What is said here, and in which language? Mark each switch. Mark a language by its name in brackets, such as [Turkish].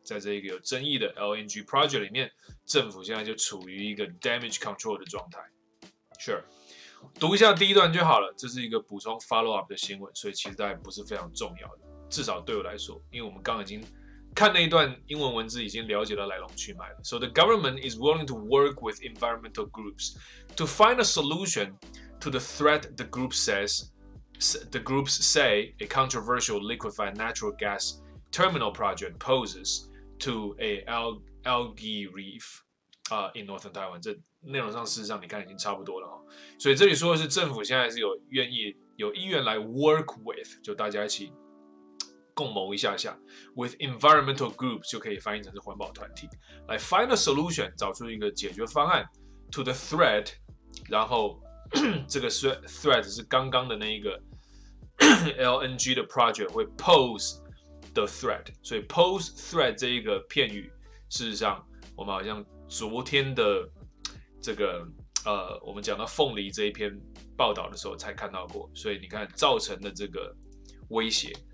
[Chinese] 在这一个有争议的 LNG project 里面，政府现在就处于一个 damage control 的状态。Sure. 读一下第一段就好了，这是一个补充 follow up 的新闻，所以其实大概不是非常重要的，至少对我来说，因为我们刚已经。看那一段英文文字已经了解了来龙去脉了。 [English] So the government is willing to work with environmental groups to find a solution to the threat the group says, the groups say a controversial liquefied natural gas terminal project poses to a algae reef, in northern Taiwan. [Chinese] 这内容上事实上你看已经差不多了、哦、所以这里说的是政府现在是有意愿来 work with， 就大家一起。共谋一下下 ，with environmental groups 就可以翻译成是环保团体，来 find a solution 找出一个解决方案 to the threat， 然后这个 threat 是刚刚的那一个LNG 的 project 会 pose the threat， 所以 pose threat 这一个片语，事实上我们好像昨天的这个我们讲到凤梨这一篇报道的时候才看到过，所以你看造成的这个威胁。